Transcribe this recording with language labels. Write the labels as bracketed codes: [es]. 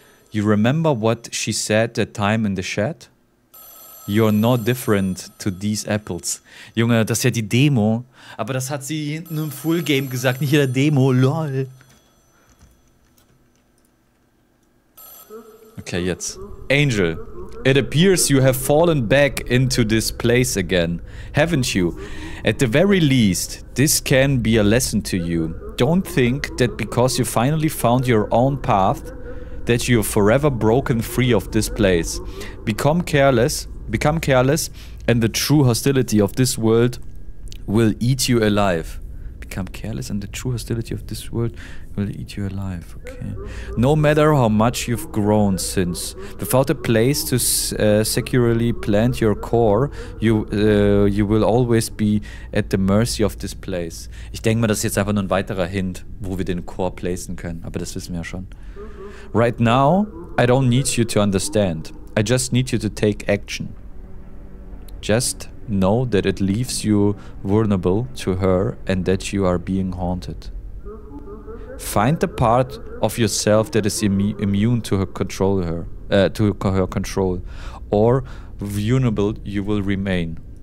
[en] You remember what she said that time in the shed? You're no different to these apples. [de] Junge, das ist ja die Demo. Aber das hat sie hinten im Full Game gesagt, nicht in der Demo. Lol. Okay, jetzt. [en] Angel. It appears you have fallen back into this place again, haven't you? At the very least, this can be a lesson to you. Don't think that because you finally found your own path, that you're forever broken free of this place. Become careless, and the true hostility of this world will eat you alive. Become careless and the true hostility of this world will eat you alive, okay. No matter how much you've grown since, without a place to securely plant your core, you will always be at the mercy of this place. [de] Ich denke mal, das ist jetzt einfach nur ein weiterer Hint, wo wir den Core placen können, aber das wissen wir ja schon. [en] Right now, I don't need you to understand. I just need you to take action. Just... Know that it leaves you vulnerable to her and that you are being haunted. Find the part of yourself that is immune to her control, or vulnerable you will remain.